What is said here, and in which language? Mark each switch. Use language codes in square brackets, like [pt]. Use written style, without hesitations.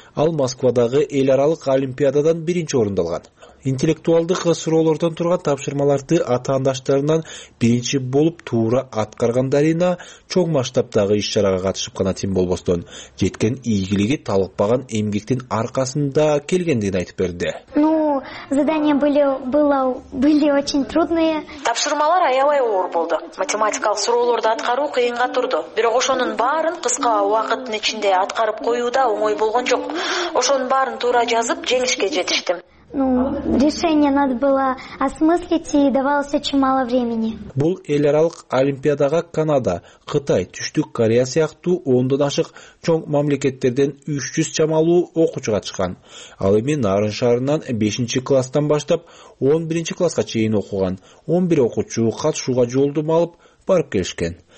[ky] Ал Москвадагы эл аралык олимпиададан биринчи орунду алган. Интеллектуалдык суроолордон турган тапшырмаларды атаандаштарынан биринчи болуп туура аткарган Дарина чоң масштабдагы иш-чарага катышып гана тим болбостон жеткен ийгилиги талыкпаган эмгектин аркасында келгендигин айтып берди. [ru] Задания были очень трудные. [ky] Тапшырмалар аябай оор болду. Математикалык суроолорду аткаруу кыйынга турду. Бирок ошонун баарын кыска убакыттын ичинде аткарып коюу да оңой болгон жок. Ошонун баарын туура жазып, жеңишке жетиштим. [ru] Решение надо было осмыслить и давалось очень мало времени. [ky] Бул эл аралык олимпиадага Канада, Кытай, Түштүк Корея сыяктуу 10 ашык чоң мамлекеттерден 300 чамалуу окуучу катышкан. Ал эми Нарын шаарынан 5 класстан баштап 11 класска чейин окуган 11 окуучу катышууга жолдум алып барып келишкен.